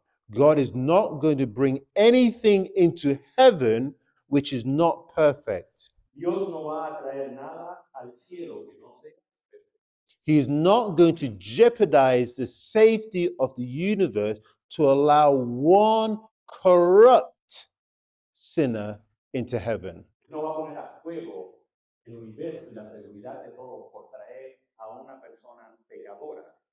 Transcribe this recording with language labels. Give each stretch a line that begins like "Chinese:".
English: God is not going to bring anything into heaven which is not perfect.
Spanish: Dios no va a traer nada al cielo que no sea perfecto.
English: He is not going to jeopardize the safety of the universe to allow one corrupt sinner into heaven.
Spanish: No va a poner a juego el universo y la seguridad de todos por traer a una persona pecadora.